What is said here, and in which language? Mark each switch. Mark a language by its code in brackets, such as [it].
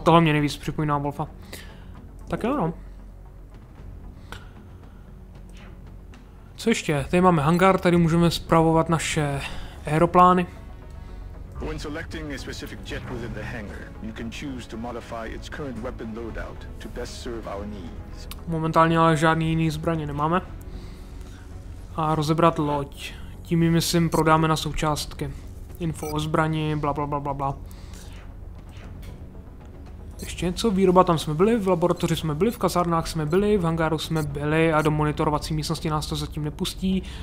[cs] Tohle mě nejvíc připomíná Wolfa. Tak jo, no. Co ještě? Tady máme hangár, tady můžeme spravovat naše aeroplány. [en] When selecting a specific jet within the hangar, you can choose to modify its current weapon loadout to best serve our needs. [cs] Momentálně ale žádný jiný zbraně nemáme. A rozebrat loď. Tím myslím, prodáme na součástky. Info o zbrani, bla. Ještě něco, výroba tam jsme byli, v laboratoři jsme byli, v kasárnách jsme byli, v hangáru jsme byli a do monitorovací místnosti nás to zatím nepustí.